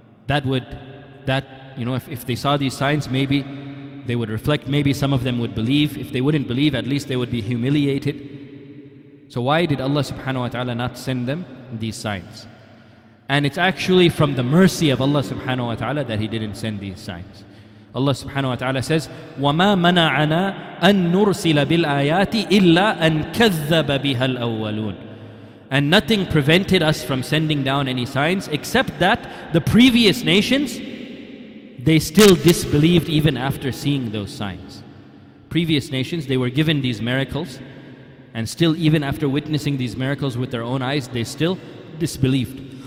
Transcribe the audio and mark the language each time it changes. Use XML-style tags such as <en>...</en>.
<en>If they saw these signs, maybe they would reflect, maybe some of them would believe. If they wouldn't believe, at least they would be humiliated. So why did Allah subhanahu wa ta'ala not send them these signs? And it's actually from the mercy of Allah subhanahu wa ta'ala that He didn't send these signs. Allah subhanahu wa ta'ala says,</en> <ar>وَمَا مَنَعَنَا أَن نُرْسِلَ بِالْآيَاتِ إِلَّا أَن كَذَّبَ بِهَا الْأَوَّلُونَ.</ar> <en>And nothing prevented us from sending down any signs except that the previous nations, they still disbelieved even after seeing those signs. Previous nations, they were given these miracles, and still even after witnessing these miracles with their own eyes, they still disbelieved.</en>